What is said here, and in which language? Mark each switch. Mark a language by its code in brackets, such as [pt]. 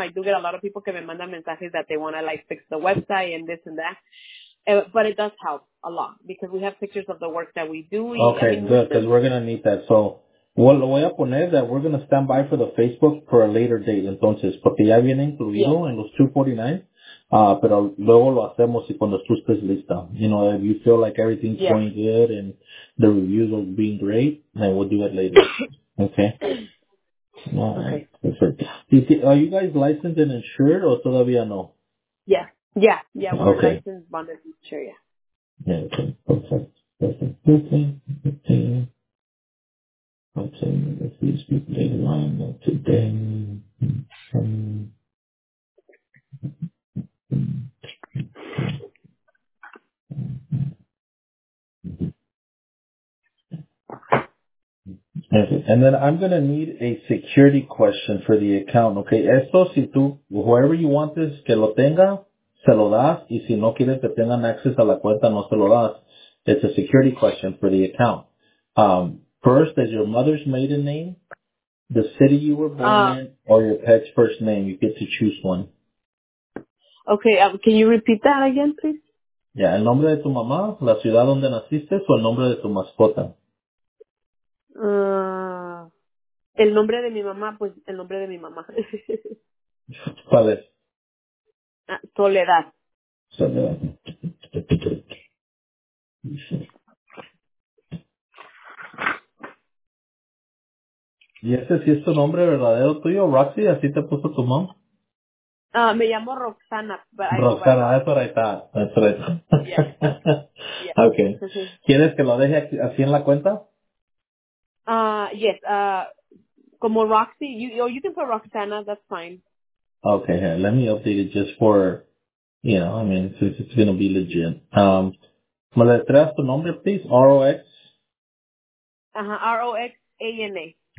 [en] I do get a lot of people [es] que me mandan mensajes [en] that they want to, like, fix the website and this and that. But it does help a lot because we have pictures of the work that we do. Okay, good, because we're going to need that. So, well, [es] lo voy a poner [en] that we're going to stand by for the Facebook for a later date, [es] entonces, porque ya viene incluido [en] yeah. [es] en los 249, pero luego lo hacemos y cuando tú estés lista. [en] You know, if you feel like everything's yeah. going good and the reviews are being great, then we'll do it later. Okay? Okay. Right. Perfect. Are you guys licensed and insured or [es] todavía no? [en] Yeah. Okay. We're licensed, bonded, and insured, yeah. Yeah, okay. Perfect. Okay, let's see, speak the line of today. Okay, and then I'm going to need a security question for the account, okay? [es] Esto, si tú, [en] whoever you want this, [es] que lo tenga, se lo das, y si no quieres que tengan acceso a la cuenta, no se lo das. [en] It's a security question for the account. First, is your mother's maiden name, the city you were born in, or your pet's first name? You get to choose one. Okay, can you repeat that again, please? [es] Yeah, el nombre de tu mamá, la ciudad donde naciste, o el nombre de tu mascota? El nombre de mi mamá, pues el nombre de mi mamá. ¿Cuál es? Soledad. Soledad. ¿Y ese sí es tu nombre verdadero tuyo, Roxy? ¿Así te puso tu mom? Me llamo Roxana. Roxana, eso ahí está. Eso ahí está. [en] Yeah. Yeah. Okay. [es] Entonces, ¿quieres que lo deje así en la cuenta? [en] Yes. Como Roxy, you can put Roxana, that's fine. Okay, yeah, let me update it just for, you know, I mean, since it's going to be legit. [es] ¿Me le traes tu nombre, [en] please? [es] R-O-X? Ajá, R-O-X-A-N-A.